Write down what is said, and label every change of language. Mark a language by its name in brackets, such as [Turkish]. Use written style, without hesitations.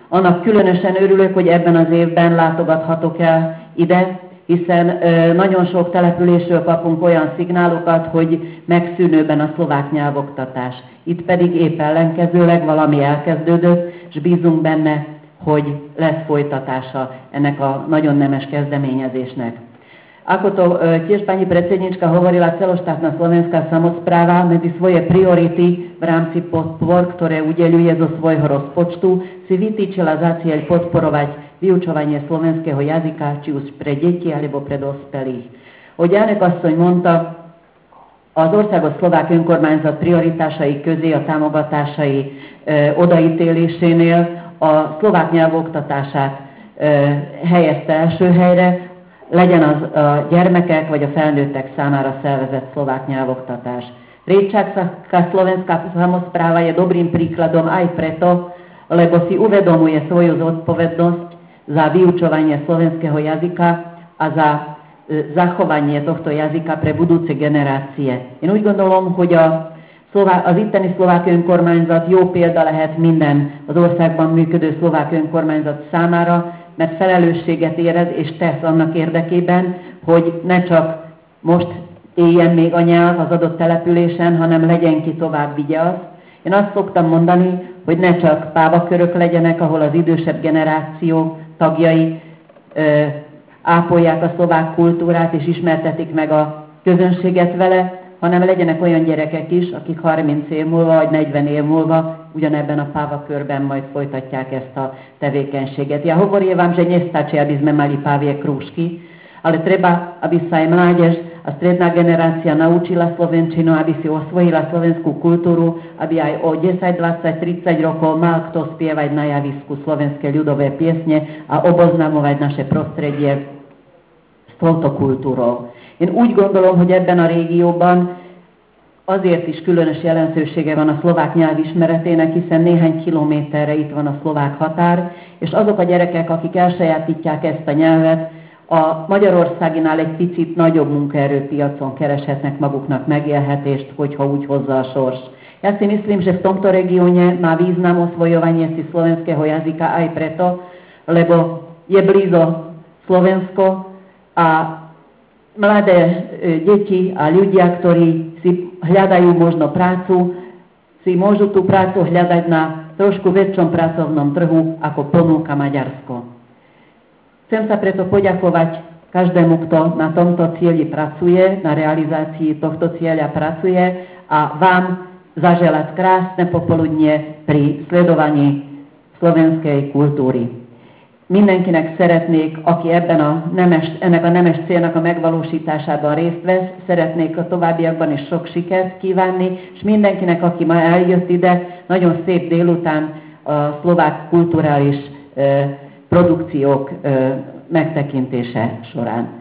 [Hungarian] Annak különösen örülök, hogy ebben az évben látogathatok el ide, hiszen nagyon sok településről kapunk olyan szignálokat, hogy megszűnőben a szlovák nyelvoktatás. Itt pedig épp ellenkezőleg valami elkezdődött, és bízunk benne, hogy lesz folytatása ennek a nagyon nemes kezdeményezésnek. [Slovak] Ako to tiež pani predsednička hovorila, celoštátna slovenská samospráva medzi svoje priority v rámci podpor, ktoré udeľuje zo svojho rozpočtu, si vytýčila za cieľ podporovať vyučovanie slovenského jazyka, či už pre deti, alebo pre dospelých. [Hungarian] Hogy Janek asszony mondta, az országos szlovák önkormányzat prioritásai közé a támogatásai odaítélésénél a szlovák nyelvoktatását helyezte első helyre, legyen az a gyermekek vagy a felnőttek számára szervezett szlovák nyelvoktatás. [Slovak] Rétsága slovenská samospráva je dobrým príkladom aj preto, lebo si uvedomuje svoju zodpovednosť za vyučovanie slovenského jazyka a za zachovanie tohto jazyka pre budúce generácie. [Hungarian] Én úgy gondolom, hogy az itteni szlovák önkormányzat jó példa lehet minden az országban működő szlovák önkormányzat számára, mert felelősséget érez és tesz annak érdekében, hogy ne csak most éljen még a nyelv az adott településen, hanem legyen ki tovább vigye azt. Én azt szoktam mondani, hogy ne csak pávakörök legyenek, ahol az idősebb generáció tagjai ápolják a szlovák kultúrát és ismertetik meg a közönséget vele, hanem legyenek olyan gyerekek is, akik 30 év múlva vagy 40 év múlva ugyanebben a pávakörben majd folytatják ezt a tevékenységet. [Slovak] Ja hovorívám, že nestačí, aby sme mali pávie krúžky, ale treba, aby sa aj mládež a stredná generácia naučila slovenčinu, aby si osvojila slovenskú kultúru, aby aj o 10, 20, 30 rokov mal kto spievať na javisku slovenské ľudové piesne a oboznamovať naše prostredie s touto kultúrou. [Hungarian] Én úgy gondolom, hogy ebben a régióban azért is különös jelentősége van a szlovák nyelv ismeretének, hiszen néhány kilométerre itt van a szlovák határ, és azok a gyerekek, akik elsajátítják ezt a nyelvet, a magyarországinál egy picit nagyobb munkaerőpiacon kereshetnek maguknak megélhetést, hogyha úgy hozza a sors. [Slovak] Ja si myslím, že v tomto regióne má význam osvojovanie si slovenského jazyka aj preto, lebo je blízo Slovensko a mladé deti a ľudia, ktorí si hľadajú možno prácu, si môžu tú prácu hľadať na trošku väčšom pracovnom trhu, ako ponúka Maďarsko. Chcem sa preto poďakovať každému, kto na tomto cieli pracuje, na realizácii tohto cieľa pracuje a vám zaželať krásne popoludnie pri sledovaní slovenskej kultúry. [Hungarian] Mindenkinek szeretnék, aki ebben a nemes, ennek a nemes célnak a megvalósításában részt vesz, szeretnék a továbbiakban is sok sikert kívánni, és mindenkinek, aki ma eljött ide, nagyon szép délután a szlovák kulturális produkciók megtekintése során.